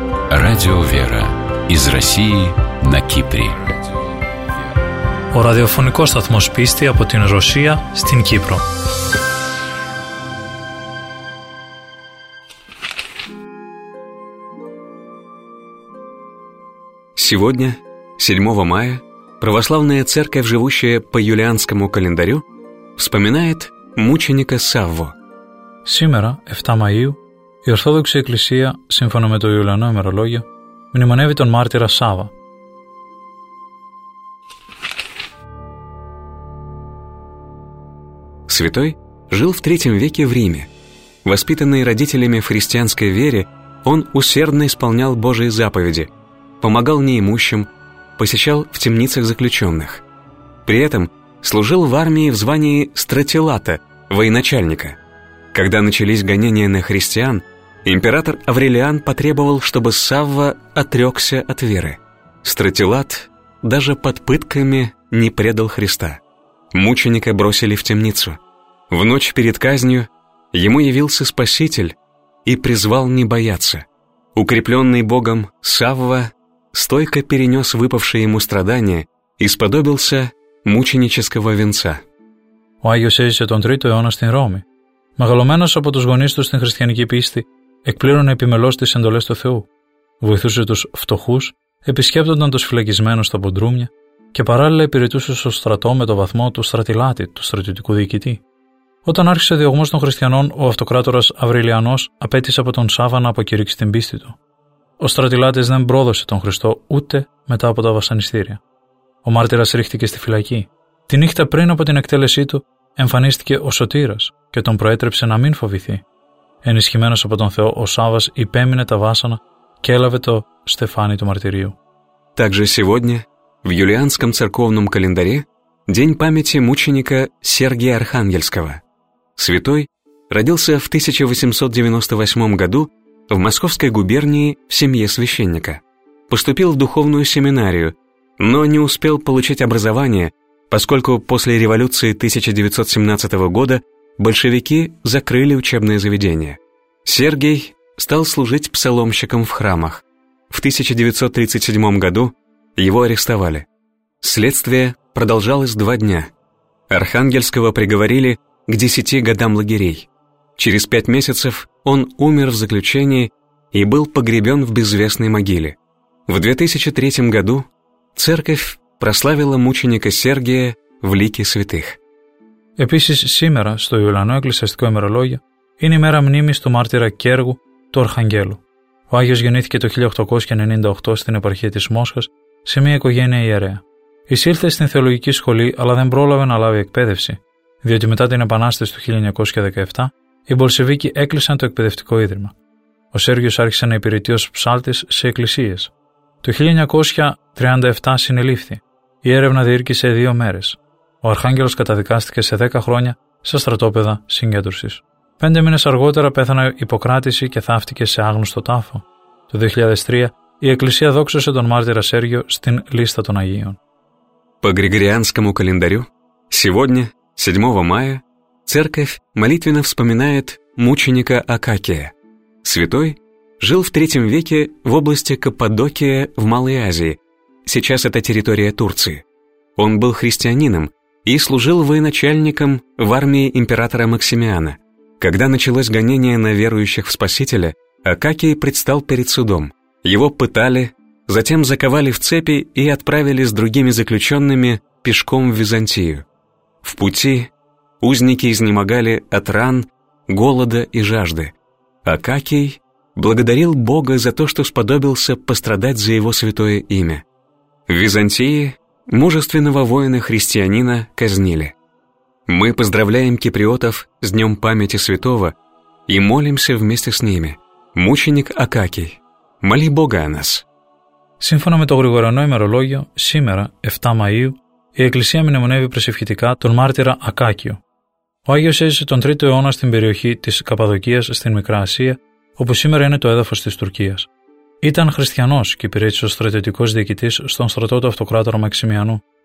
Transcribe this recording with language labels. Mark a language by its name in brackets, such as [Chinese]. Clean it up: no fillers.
[Russian] Радио «Вера» из России на Кипре. [Greek] Ο ραδιοφωνικός σταθμός πίστη από την Ρωσία στην Κύπρο. [Russian] Сегодня, 7 мая, православная церковь, живущая по юлианскому календарю, вспоминает мученика Савву. Сегодня, 7 мая, [Greek] η Ορθόδοξη Εκκλησία, σύμφωνα με το Ιουλιανό ημερολόγιο, μνημονεύει τον μάρτυρα Σάββα. [Russian] Святой жил в III веке в Риме. Воспитанный родителями в христианской вере, он усердно исполнял Божьи заповеди, помогал неимущим, посещал в темницах заключенных. При этом служил в армии в звании стратилата, военачальника. Когда начались гонения на христиан, император Аврелиан потребовал, чтобы Савва отрекся от веры. Стратилат даже под пытками не предал Христа. Мученика бросили в темницу. В ночь перед казнью ему явился Спаситель и призвал не бояться. Укрепленный Богом, Савва стойко перенес выпавшие ему страдания и сподобился мученического венца. [Greek] Ο Άγιος έζησε τον 3ο αιώνα στην Ρώμη. Μεγαλωμένος από τους γονείς του στην χριστιανική πίστη, εκπλήρωνε επιμελώς τις εντολές του Θεού. Βοηθούσε τους φτωχούς, επισκέπτονταν τους φυλακισμένους στα ποντρούμια και παράλληλα υπηρετούσε στο στρατό με το βαθμό του στρατιλάτη, του στρατιωτικού διοικητή. Όταν άρχισε ο διωγμός των χριστιανών, ο αυτοκράτορας Αυριλιανός απέτησε από τον Σάββα να αποκηρύξει την πίστη του. Ο στρατιλάτης δεν πρόδωσε τον Χριστό ούτε μετά από τα βασανιστήρια. Ο μάρτυρας ρίχτηκε στη φυλακή. Τη νύχτα πριν από την εκτέλεσή του, εμφανίστηκε ο Σωτήρας και τον προέτρεψε να μην φοβηθεί. Ενισχυμένος από τον Θεό, ο Σάββας υπέμεινε τα βάσανα και έλαβε το στεφάνι του μαρτυρίου. [Russian] Также сегодня, в юлианском церковном календаре, день памяти мученика Сергия Архангельского. Святой родился в 1898 году в Московской губернии в семье священника. Поступил в духовную семинарию, но не успел получить образование, поскольку после революции 1917 года большевики закрыли учебное заведение. Сергий стал служить псаломщиком в храмах. В 1937 году его арестовали. Следствие продолжалось 2 дня. Архангельского приговорили к 10 годам лагерей. Через 5 месяцев он умер в заключении и был погребен в безвестной могиле. В 2003 году церковь прославила мученика Сергия в лике святых. [Greek] Επίσης, σήμερα, στο Ιουλιανό Εκκλησιαστικό ημερολόγιο, είναι η μέρα μνήμης του μάρτυρα Κέργου, του Αρχαγγέλου. Ο Άγιος γεννήθηκε το 1898 στην επαρχία της Μόσχας, σε μια οικογένεια ιερέα. Εισήλθε στην θεολογική σχολή, αλλά δεν πρόλαβε να λάβει εκπαίδευση, διότι μετά την Επανάσταση του 1917, οι Μπολσεβίκοι έκλεισαν το εκπαιδευτικό ίδρυμα. Ο Σέργιος άρχισε να υπηρετεί ως ψάλτης σε εκκλησίες. Το 1937 συνελήφθη. Η έρευνα διήρκησε 2 μέρες. Ο Αρχάγγελος καταδικάστηκε σε 10 χρόνια σε στρατόπεδα συγκέντρωσης. 5 μήνες αργότερα πέθανε υποκράτηση και θάφτηκε σε άγνωστο τάφο. Το 2003 η Εκκλησία δόξωσε τον μάρτυρα Σέργιο στην Λίστα των Αγίων. [Russian] По григорианскому календарю, сегодня, 7 мая, церковь молитвенно вспоминает мученика Акакия. Святой жил в III веке в области Каппадокия в Малой Азии, сейчас это территория Турции. Он был христианином и служил военачальником в армии императора Максимиана. Когда началось гонение на верующих в Спасителя, Акакий предстал перед судом. Его пытали, затем заковали в цепи и отправили с другими заключенными пешком в Византию. В пути узники изнемогали от ран, голода и жажды. Акакий благодарил Бога за то, что сподобился пострадать за его святое имя. В Византии мужественного воина-христианина казнили. Мы поздравляем киприотов с Днем памяти святого и молимся вместе с ними. Мученик Акакий, моли Бога о нас. [Greek] Σύμφωνα με το γρηγοριανό ημερολόγιο, σήμερα, 7 Μαΐου, η Εκκλησία μνημονεύει προσευχητικά τον μάρτυρα Ακάκιο. Ο Άγιος έζησε τον 3ο αιώνα στην περιοχή της Καπαδοκίας στην Μικρά Ασία, όπου σήμερα είναι το έδαφος της Τουρκίας. Ήταν χριστιανός και υπηρέτησε ως στρατιωτικός διοικητής στον στρατό του αυτοκράτορα Μαξιμιανού.